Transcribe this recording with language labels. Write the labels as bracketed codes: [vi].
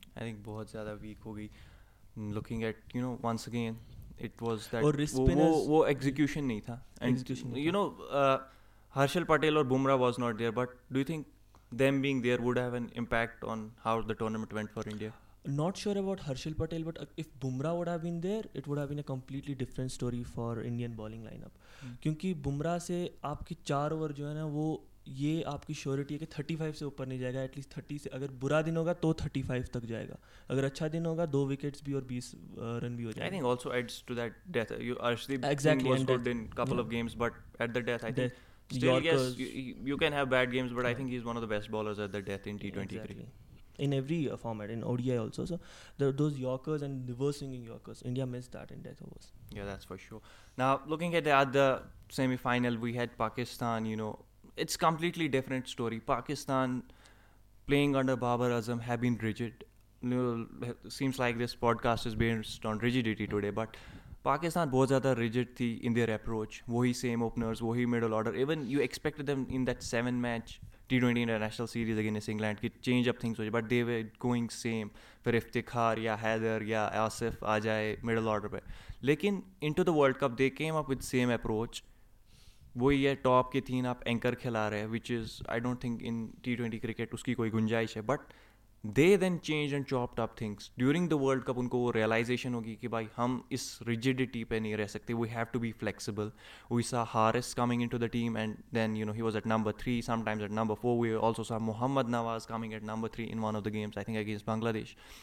[en] I think [hi] बहुत ज़्यादा week हो गई. [en] looking at you know once again it was that [hi] वो एग्जीक्यूशन नहीं था. [en] You know Harshal Patel और Bumrah was not there, but do you think them being there would have an impact on how the tournament went for India? Not sure about Harshal Patel, but if Bumrah would have been there, it would have been a completely different story for Indian bowling lineup. [hi] क्योंकि Bumrah से आपकी चार over जो है ना, वो ये आपकी श्योरिटी है कि 35 से ऊपर नहीं जाएगा. एटलीस्ट 30 से, अगर बुरा दिन होगा तो 35 तक जाएगा. अगर अच्छा दिन होगा दो विकेट्स भी और 20 रन भी हो जाएगा. [en] I think also adds to that death. Arshdeep exactly was good in couple of games, but at the death, I think still, yes, you can have bad games, but I think he's one of the best bowlers at the death in T20 cricket. in every format, in ODI also. So there are those Yorkers and reverse swinging Yorkers. India missed that in death overs. Yeah, that's for sure. Now, looking at the other semi-final, we had Pakistan, you know, it's completely different story. Pakistan playing under Babar Azam have been rigid. You know, seems like this podcast is based on rigidity today, but Pakistan was rather rigid in their approach. Wohi same openers, wohi middle order. Even you expected them in that 7-match T20 international series against England to change up things, but they were going same for Iftikhar, ya Haider, ya Asif, Ajay, middle order. Lekin into the World Cup, they came up with same approach. [hi] वही है top की थीन आप anchor खिला रहे हैं [en] which is I don't think in T20 cricket [hi] उसकी कोई गुंजाइश है [en] but they then change and chopped up things during the world cup [hi] उनको वो रियलाइजेशन होगी कि भाई हम इस रिजिडिटी पे नहीं रह सकते [en] we have to be flexible we saw Haris coming into the team and then you know he was at number 3 sometimes at number 4 we also saw Mohammad Nawaz coming at number 3 in one of the games I think against Bangladesh